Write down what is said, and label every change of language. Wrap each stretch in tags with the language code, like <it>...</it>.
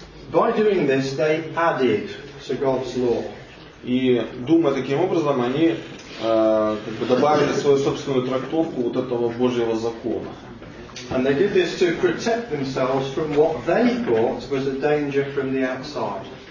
<en>By doing this, they added to God's law.</en> <ru>И думая таким образом, они как бы добавили свою собственную трактовку вот этого Божьего закона.</ru> <en>And they did this to protect themselves from what they thought was a danger from the outside.</en>